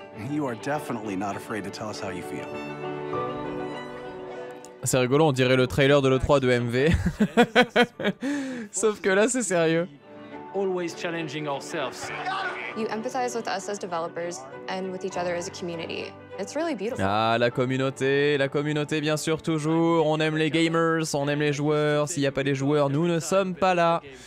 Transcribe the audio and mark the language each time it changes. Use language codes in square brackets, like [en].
[en] You are definitely not afraid to tell us how you feel. [fr] C'est rigolo, on dirait le trailer de l'E3 de MV. Sauf que là, c'est sérieux. [en] Always challenging ourselves. You empathize with us as developers and with each other as a community. It's really beautiful. [fr] Ah, la communauté, bien sûr, toujours. On aime les gamers, on aime les joueurs. S'il n'y a pas les joueurs, nous ne sommes pas là.